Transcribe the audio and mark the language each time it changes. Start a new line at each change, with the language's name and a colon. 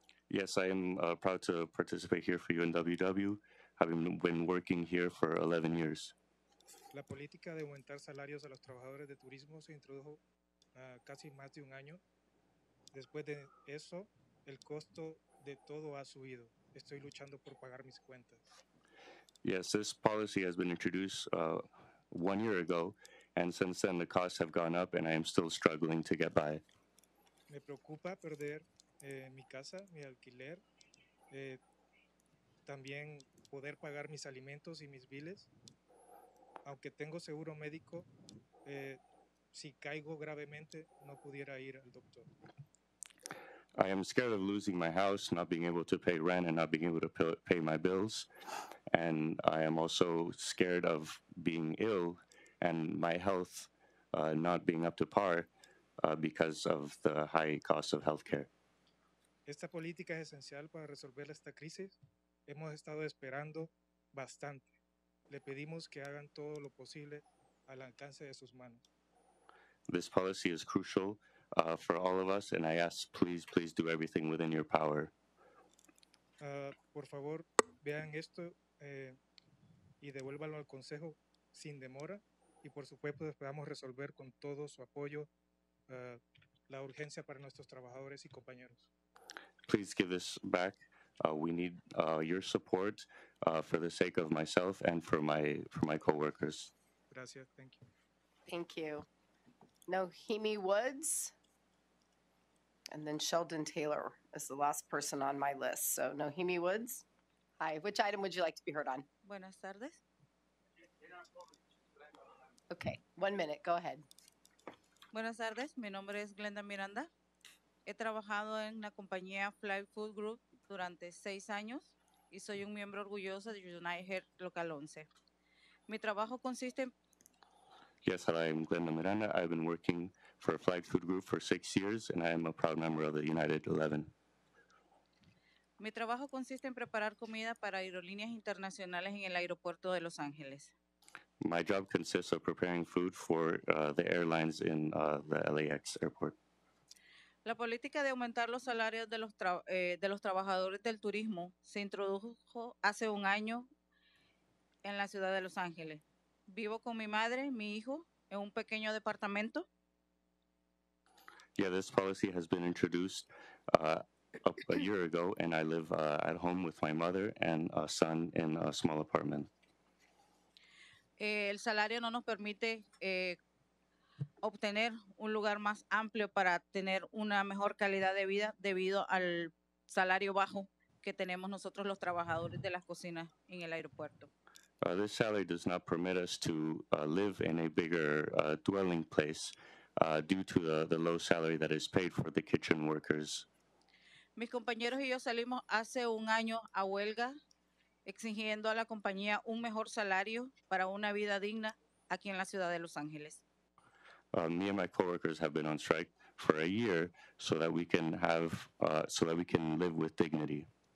English: Yes, I am proud to participate here for UNWW, having been working here for 11 years.
Spanish: La política de aumentar salarios a los trabajadores de turismo se introdujo casi más de un año. Después de eso, el costo de todo ha subido. Estoy luchando por pagar mis cuentas.
English: Yes, this policy has been introduced 1 year ago, and since then the costs have gone up, and I am still struggling to get by.
Spanish: Me preocupa perder mi casa, mi alquiler, también poder pagar mis alimentos y mis biles. Aunque tengo seguro médico, si caigo gravemente, no pudiera ir al doctor.
English: I am scared of losing my house, not being able to pay rent, and not being able to pay my bills. And I am also scared of being ill and my health not being up to par because of the high cost of health care.
Spanish: Esta política es esencial para resolver esta crisis. Hemos estado esperando bastante. Le pedimos que hagan todo lo posible al alcance de sus manos.
English: This policy is crucial for all of us, and I ask, please, please do everything within your power.
Spanish: Por favor, vean esto y devuélvalo al consejo sin demora. Y por supuesto, esperamos resolver con todo su apoyo la urgencia para nuestros trabajadores y compañeros.
English: Please give this back. We need your support for the sake of myself and for my coworkers.
Spanish: Gracias.
English: Thank you. Thank you. Nohemi Woods. And then Sheldon Taylor is the last person on my list. So, Nohemi Woods, hi. Which item would you like to be heard on?
Spanish: Buenas tardes.
English: Okay, 1 minute. Go ahead.
Spanish: Buenas tardes. Mi nombre es Glenda Miranda. He trabajado en la compañía Fly Food Group durante 6 años. y soy un miembro orgulloso de United Local 11. Mi trabajo consiste en...
English: Yes, hello, I'm Glenda Miranda. I've been working for Flag Food Group for 6 years, and I am a proud member of the United 11.
Spanish: Mi trabajo consiste en preparar comida para aerolíneas internacionales en el aeropuerto de Los Ángeles.
English: My job consists of preparing food for the airlines in the LAX airport.
Spanish: La política de aumentar los salarios de los trabajadores del turismo se introdujo hace un año en la ciudad de Los Ángeles. Vivo con mi madre, mi hijo, en un pequeño departamento.
English: Yeah, this policy has been introduced a year ago, and I live at home with my mother and a son in a small apartment.
Spanish: El salario no nos permite obtener un lugar más amplio para tener una mejor calidad de vida debido al salario bajo que tenemos nosotros los trabajadores de las cocinas en el aeropuerto.
English: This salary does not permit us to live in a bigger dwelling place due to the low salary that is paid for the kitchen workers.
Spanish: Mis compañeros y yo salimos hace un año a huelga exigiendo a la compañía un mejor salario para una vida digna aquí en la ciudad de Los Ángeles.
English: Me and my coworkers have been on strike for a year so that we can have so that we can live with dignity.